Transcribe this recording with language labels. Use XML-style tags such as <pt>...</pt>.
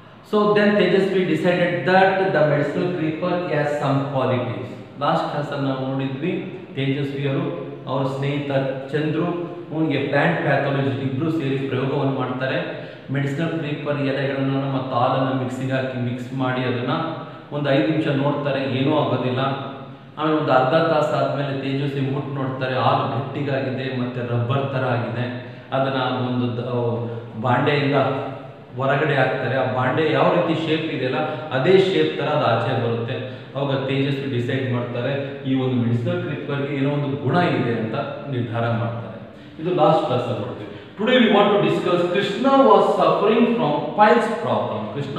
<en>So then Tejasvi decided that the medicinal creeper has some qualities.</en> <kn>Last class nodidvi Tejasvi aru avaru sneha Chandru ಅವನಿಗೆ plant pathology ಇಬ್ಬರು ಸೇರಿ ಪ್ರಯೋಗವನ್ನು ಮಾಡ್ತಾರೆ. Medicinal creeper ಎಲೆಗಳನ್ನು ಮತ್ತು ಹಾಲನ್ನು ಮಿಕ್ಸಿಗೆ ಹಾಕಿ ಮಿಕ್ಸ್ ಮಾಡಿ ಅದನ್ನು ಒಂದು 5 ನಿಮಿಷ ನೋಡ್ತಾರೆ, ಏನೂ ಆಗೋದಿಲ್ಲ. ಆಮೇಲೆ ಒಂದು ಅರ್ಧ ತಾಸು ಆದಮೇಲೆ ತೇಜಸ್ವಿ ಮುಟ್ಟು ನೋಡ್ತಾರೆ, ಹಾಲು ಗಟ್ಟಿಗಾಗಿದೆ ಮತ್ತು ರಬ್ಬರ್ ಥರ ಆಗಿದೆ. ಅದನ್ನು ಒಂದು ಬಾಂಡೆಯಿಂದ ಹೊರಗಡೆ ಹಾಕ್ತಾರೆ, ಆ ಬಾಂಡೆ ಯಾವ ರೀತಿ ಶೇಪ್ ಇದೆಯಲ್ಲ ಅದೇ ಶೇಪ್ ಥರ ಅದು ಆಚೆ ಬರುತ್ತೆ. ಅವಾಗ ತೇಜಸ್ವಿ ಡಿಸೈಡ್ ಮಾಡ್ತಾರೆ ಈ ಒಂದು ಮೆಡಿಸಿನಲ್ ಕ್ರೀಪರ್ಗೆ ಏನೋ ಒಂದು ಗುಣ ಇದೆ ಅಂತ ನಿರ್ಧಾರ ಮಾಡ್ತಾರೆ.</kn> <en>The last lesson today we want to discuss Krishna was suffering from piles problem.</en>